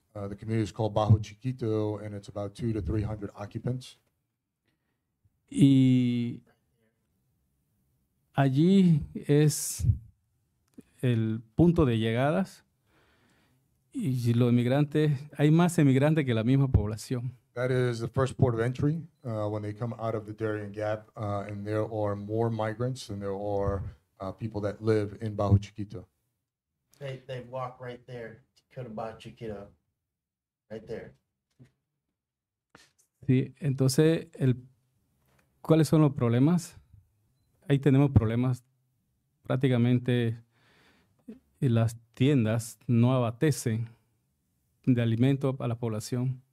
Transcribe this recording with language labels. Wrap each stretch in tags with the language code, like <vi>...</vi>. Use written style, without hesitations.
<en>The community is called Bajo Chiquito, and it's about 200 to 300 occupants.</en> <es>Y allí es el punto de llegadas, y los inmigrantes, hay más inmigrantes que la misma población.</es> <en>That is the first port of entry when they come out of the Darien Gap, and there are more migrants than there are people that live in Bajo Chiquito. They walk right there to go to Bajo Chiquito, right there.</en> <es>Sí, entonces, ¿cuáles son los problemas? Ahí tenemos problemas prácticamente las tiendas no abastecen de alimento a la población.</es>